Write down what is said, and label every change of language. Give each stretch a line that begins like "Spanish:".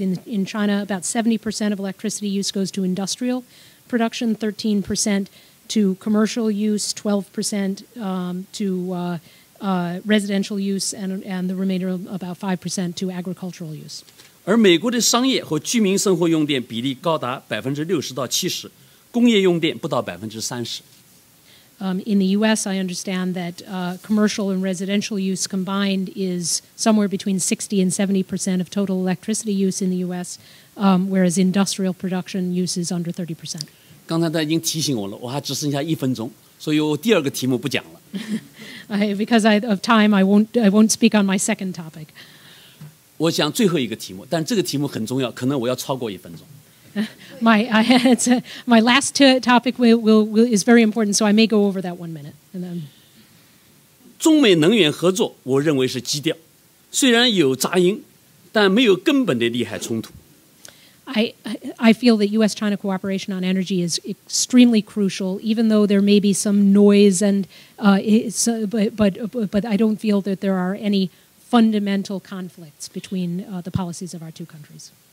English: In China, about 70% of electricity use goes to industrial production, 13% to commercial use, 12% residential use, and the remainder about 5% to agricultural use.
Chinese: 而美国的商业和居民生活用电比例高达60%到70%，工业用电不到30%。
English: In the U.S., I understand that commercial and residential use combined is somewhere between 60 and 70% of total electricity use in the U.S., whereas industrial production use is under 30%.
Chinese: 刚才他已经提醒我了，我还只剩下一分钟，所以我第二个题目不讲了。
English: Because of time, I won't speak on my second topic.
Chinese: 我想最后一个题目，但这个题目很重要，可能我要超过一分钟。
English: My last topic will is very important, so I may go over that 1 minute.
Chinese: 中美能源合作，我认为是基调。虽然有杂音，但没有根本的利害冲突。
English: I feel that U.S.-China cooperation on energy is extremely crucial, even though there may be some noise and but I don't feel that there are any fundamental conflicts between the policies of our two countries.